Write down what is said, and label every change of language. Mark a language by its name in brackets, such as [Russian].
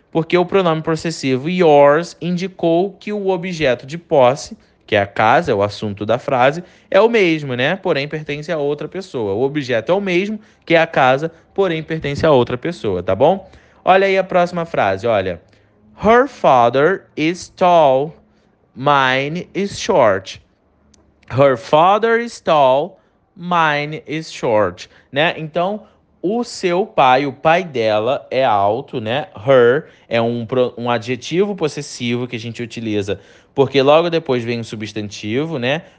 [Portuguese] porque o pronome possessivo yours indicou que o objeto de posse, que é a casa, é o assunto da frase, é o mesmo, né? Porém pertence a outra pessoa. O objeto é o mesmo, que é a casa, porém pertence a outra pessoa, tá bom? Olha aí a próxima frase, olha. [English] Her father is tall, mine is short. Her father is tall, mine is short, né? [Portuguese] Então, o seu pai, o pai dela é alto, né? Her é um adjetivo possessivo que a gente utiliza porque logo depois vem o substantivo, né?